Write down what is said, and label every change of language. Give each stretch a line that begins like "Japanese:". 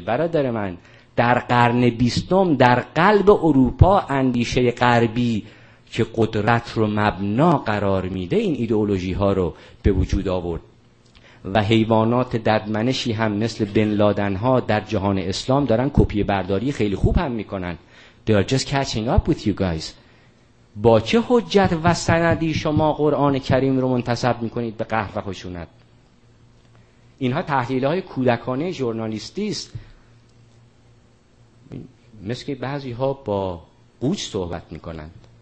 Persian: برادر من، در قرن بیستم در قلب اروپا اندیشه غربی که قدرت رو مبنا قرار میده این ایدئولوژی ها رو به وجود آورد و حیوانات ددمنشی هم مثل بن لادن ها در جهان اسلام دارن کپی برداری خیلی خوب هم میکنن.
English: They are just catching up with you guys.
Persian: با چه حجت و سندی شما قرآن کریم رو منتسب میکنید به قهر و خشونت؟ اینها تحلیل های کودکانه ژورنالیستی است. مثل که بعضی ها با قوچ صحبت میکنند.